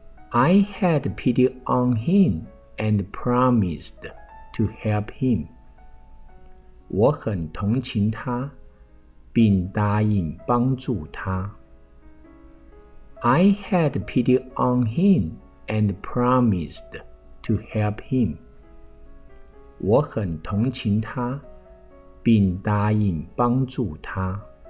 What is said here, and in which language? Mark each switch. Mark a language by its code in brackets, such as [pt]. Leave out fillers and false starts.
[en] I had pity on him and promised to help him. [zh] 我很同情他，并答应帮助他。 [en] I had pity on him and promised to help him. [zh] 我很同情他，并答应帮助他。